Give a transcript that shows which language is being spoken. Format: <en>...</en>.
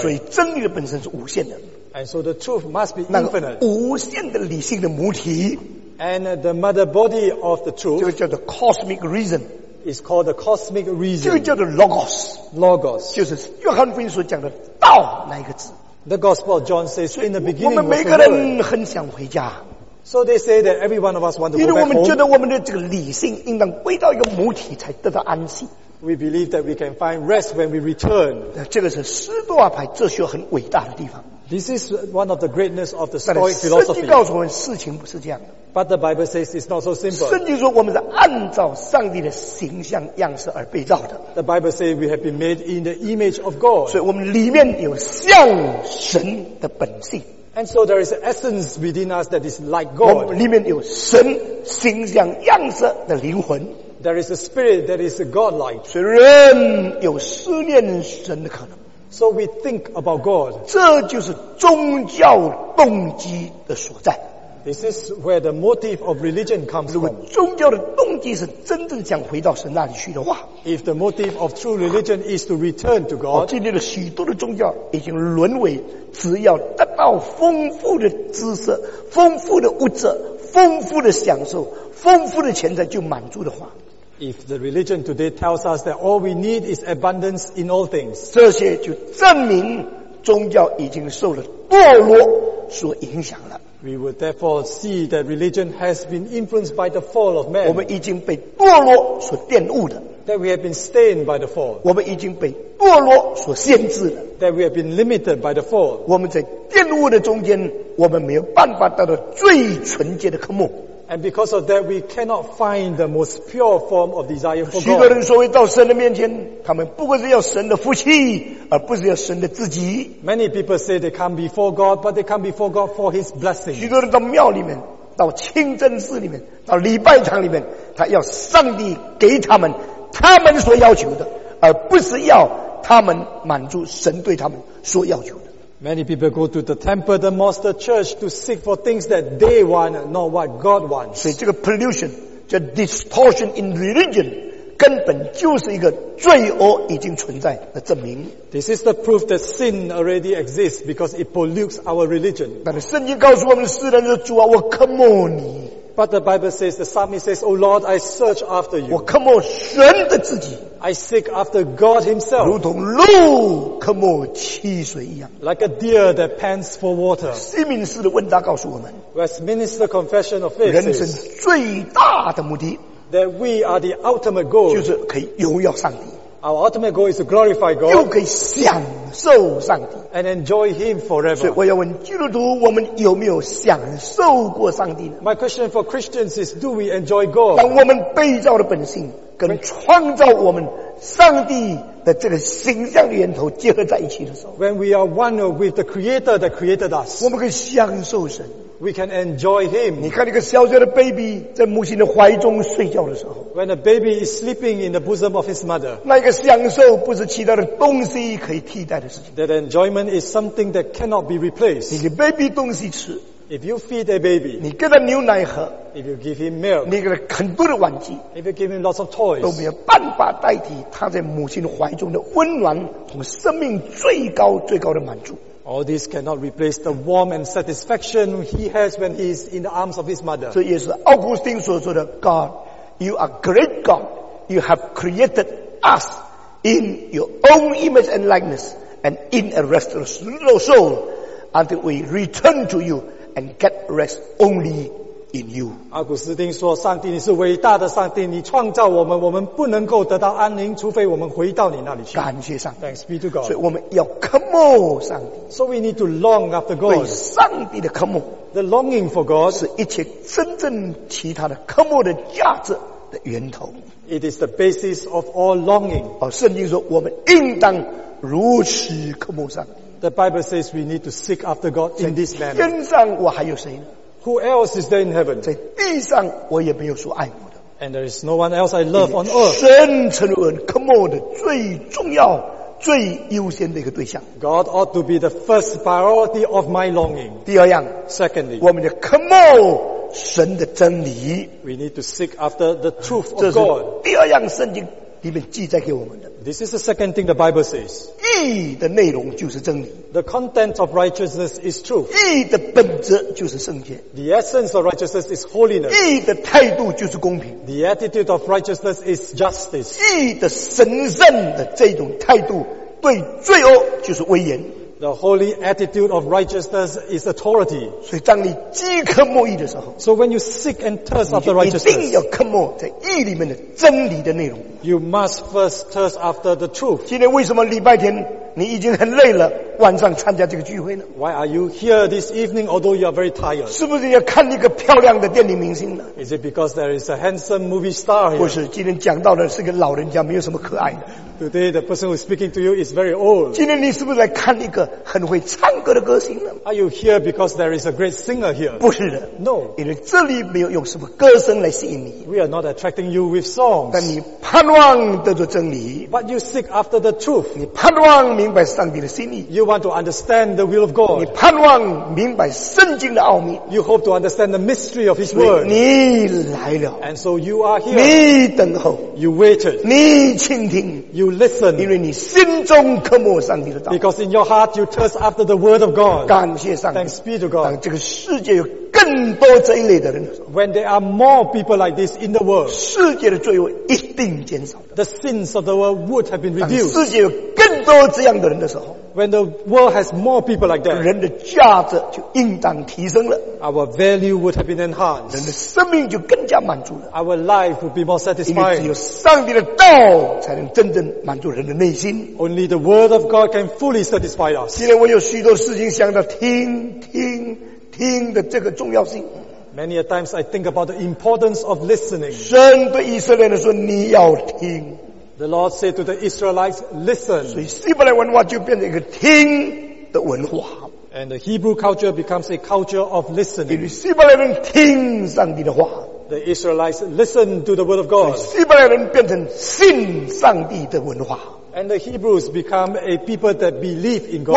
<zh>所以真理的本身是无限的。</zh> <en>And so the truth must be infinite.</en> <zh>那个无限的理性的母体。</zh> <en>And the mother body of the truth,</en> <zh>这个叫做 cosmic reason,</zh> <en>is called the cosmic reason.</en> <zh>这个叫做 logos,</zh> <en>logos,</en> <zh>就是约翰福音所讲的道那一个字。</zh> <en>The Gospel of John says, in the beginning,</en> <zh>我们每个人很想回家。</zh> <en>So they say that every one of us want to go back home.</en> <zh>因为我们觉得我们的这个理性应当归到一个母体才得到安息。</zh> <en>We believe that we can find rest when we return.</en> <zh>这个是斯多亚派哲学很伟大的地方。</zh> <en>This is one of the greatness of the Stoic philosophy.</en> <zh>圣经告诉我们事情不是这样的。</zh> <en>But the Bible says it's not so simple.</en> <zh>圣经说我们是按照上帝的形象样式而被造的。</zh> <en>The Bible says we have been made in the image of God.</en> <zh>所以我们里面有像神的本性。</zh> <en>And so there is an essence within us that is like God.</en> <zh>我们里面有神形象样式的灵魂。</zh> <en>There is a spirit that is God-like.</en> <zh>所以人有思念神的可能。</zh> <en>So we think about God.</en> <zh>这就是宗教动机的所在。</zh> <en>This is where the motive of religion comes from.</en> <zh>如果宗教的动机是真正想回到神那里去的话</zh> <en>，If the motive of true religion is to return to God，</en> <zh>今天的许多的宗教已经沦为只要得到丰富的知识、丰富的物质、丰富的享受、丰富的钱财就满足的话</zh> <en>，If the religion today tells us that all we need is abundance in all things，</en> <zh>这些就证明宗教已经受了堕落所影响了。</zh> <en>We would therefore see that religion has been influenced by the fall of man.</en> <zh>我们已经被堕落所玷污的。</zh> <en>That we have been stained by the fall.</en> <zh>我们已经被堕落所限制的。</zh> <en>That we have been limited by the fall.</en> <zh>我们在玷污的中间，我们没有办法得到最纯洁的渴慕。</zh> <en>And because of that, we cannot find the most pure form of desire for God.</en> <zh>许多人所谓到神的面前，他们不过是要神的福气，而不是要神的自己。</zh> <en>Many people say they come before God, but they come before God for His blessing.</en> <zh>许多人到庙里面，到清真寺里面，到礼拜堂里面，他要上帝给他们他们所要求的，而不是要他们满足神对他们所要求的。</zh> <en>Many people go to the temple, the mosque, the church to seek for things that they want, not what God wants.</en> <zh>所以这个 pollution, 这</zh> <en>distortion in religion,</en> <zh>根本就是一个罪恶已经存在的证明。</zh> <en>This is the proof that sin already exists because it pollutes our religion.</en> <zh>但是圣经告诉我们世人的主啊，我渴慕你。</zh> <en>But the Bible says, the psalmist says, Oh Lord, I search after you.</en> <zh>我渴慕神的自己。</zh> <en>I seek after God himself.</en> <zh>如同鹿渴慕溪水一样。</zh> <en>Like a deer that pants for water.</en> <zh>西敏寺的问答告诉我们。</zh> <en>Westminster Confession of Faith.</en> <zh>人生最大的目的。</zh> <en>That we are the ultimate goal.</en> <zh>就是可以荣耀上帝。</zh> <en>Our ultimate goal is to glorify God.</en> <zh>又可以享受上帝。</zh> <en>And enjoy Him forever.</en> <zh>所以我要问基督徒，我们有没有享受过上帝呢</zh> <en>？My question for Christians is, do we enjoy God?</en> <zh>当我们被造的本性跟创造我们上帝的这个形象源头结合在一起的时候</zh> <en>When we are one with the creator that created us</en> <zh>我们可以享受神</zh> <en>We can enjoy him</en> <zh>你看那个小小的 baby 在母亲的怀中睡觉的时候</zh> <en>When a baby is sleeping in the bosom of his mother</en> <zh>那个享受不是其他的东西可以替代的事情</zh> <en>That enjoyment is something that cannot be replaced</en> <zh>你给 baby 东西吃</zh> <en>If you feed a baby,</en> <zh>你给他牛奶喝</zh> <en>if you give him milk,</en> <zh>你给他很多的玩具</zh> <en>if you give him lots of toys,</en> <zh>都没有办法代替他在母亲怀中的温暖和生命最高最高的满足</zh> <en>All this cannot replace the warmth and satisfaction he has when he is in the arms of his mother.</en> <zh>这也是奥古斯丁所说的</zh> <en>God, you are great God, you have created us in your own image and likeness and in a restless little soul until we return to youAnd get rest only in you.</en> <zh>阿古斯丁说：“上帝，你是伟大的上帝，你创造我们，我们不能够得到安宁，除非我们回到你那里去。” 感谢上帝。</zh> <en>Thanks be to God.</en> <zh>所以我们要渴慕上帝。</zh> <en>So we need to long after God.</en> <zh>对上帝的渴慕。</zh> <en>The longing for God</en> <zh>是一切真正其他的渴慕的价值的源头。</zh> <en>It is the basis of all longing.</en> <zh>哦，圣经说我们应当如此渴慕上帝。</zh> <en>The Bible says we need to seek after God in this manner.</en> <zh>天上我还有谁呢?</zh> <en>Who else is there in heaven?</en> <zh>在地上我也没有说爱我的。</zh> <en>And there is no one else I love on earth.</en> <zh>神成为渴慕的最重要、最优先的一个对象。</zh> <en>God ought to be the first priority of my longing.</en> <zh>第二样</zh> <en>,Secondly,</en> <zh>我们的渴慕神的真理。</zh> <en>We need to seek after the truth of God.</en> <zh>第二样圣经里面记载给我们的。</zh> <en>This is the second thing the Bible says.</en> <zh>义的内容就是真理。</zh> <en>The content of righteousness is truth.</en> <zh>义的本质就是圣洁。</zh> <en>The essence of righteousness is holiness.</en> <zh>义的态度就是公平。</zh> <en>The attitude of righteousness is justice.</en> <zh>义的神圣的这种态度对罪恶就是威严。</zh> <en>The holy attitude of righteousness is authority.</en> <zh>所以当你饥渴慕义的时候</zh> <en>So when you seek and thirst after righteousness,</en> <zh>你一定要渴慕在义里面的真理的内容。</zh> <en>You must first thirst after the truth.</en> <zh>今天为什么礼拜天你已经很累了，晚上参加这个聚会呢</zh> <en>？Why are you here this evening? Although you are very tired.</en> <zh>是不是要看一个漂亮的电影明星呢</zh> <en>？Is it because there is a handsome movie star here?</en> <zh>不是，今天讲到的是个老人家，没有什么可爱的。</zh> <en>Today the person who is speaking to you is very old.</en> <zh>今天你是不是来看一个很会唱歌的歌星呢</zh> <en>？Are you here because there is a great singer here?</en> <zh>不是的</zh> <en>，No.</en> <zh>因为这里没有用什么歌声来吸引你。</zh> <en>We are not attracting you with songs.</en> <zh>但你盼望得着真理。</zh> <en>But you seek after the truth.</en> <zh>你盼望明白上帝的心意。</zh> <en>You want to understand the will of God.</en> <zh>你盼望明白圣经的奥秘。</zh> <en>You hope to understand the mystery of His word.</en> <zh>你来了。</zh> <en>And so you are here.</en> <zh>你等候。</zh> <en>You waited.</en> <zh>你倾听。</zh> <en>You listen.</en> <zh>因为你心中渴慕上帝的道。</zh> <en>Because in your heart you thirst after the word of God.</en> <zh>感谢上帝。</zh> <en>Thanks be to God.</en> <zh>当这个世界有更多这一类的人的时候</zh> <en>When there are more people like this in the world.</en> <zh>世界的罪恶一定减少的。</zh> <en>The sins of the world would have been reduced.</en> <zh>当世界有更多这样的人的时候</zh> <en>When the world has more people like that.</en> <zh>人的价值就应当提升了。</zh> <en>Our value would have been enhanced.</en> <zh>人的生命就更加满足了。</zh> <en>Our life would be more satisfied.</en> <zh>因为只有上帝的道才能真正满足人的内心。</zh> <en>Only the word of God can fully satisfy us.</en> <zh>今天我有许多事情想要听的这个重要性。</zh> <en>Many a times I think about the importance of listening.</en> <zh>神对以色列人说你要听。</zh> <en>The Lord said to the Israelites, listen.</en> <zh>所以希伯来文化就变成一个听的文化。</zh> <en>And the Hebrew culture becomes a culture of listening.</en> <zh>因为希伯来人听上帝的话。</zh> <en>The Israelites listen to the word of God.</en> <zh>希伯来人变成信上帝的文化。</zh> <en>And the Hebrews become a people that believe in God.</en>